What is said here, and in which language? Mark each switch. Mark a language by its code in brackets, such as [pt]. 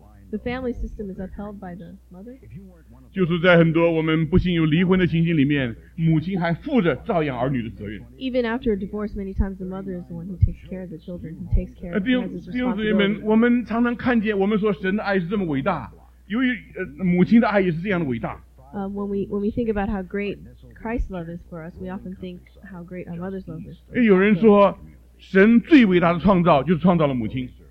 [en] The family system is upheld by the mother. [zh] 就是在很多我们不幸有离婚的情形里面，母亲还负着照养儿女的责任。 [en] Even after a divorce, many times the mother is the one who takes care of the children, who takes care of the parents' responsibility. [zh] 弟兄姊妹们，我们常常看见，我们说神的爱是这么伟大，由于母亲的爱也是这样的伟大。 [en] When we think about how great Christ's love is for us, we often think how great our mother's love is for us. [zh] 有人说，神最伟大的创造就是创造了母亲。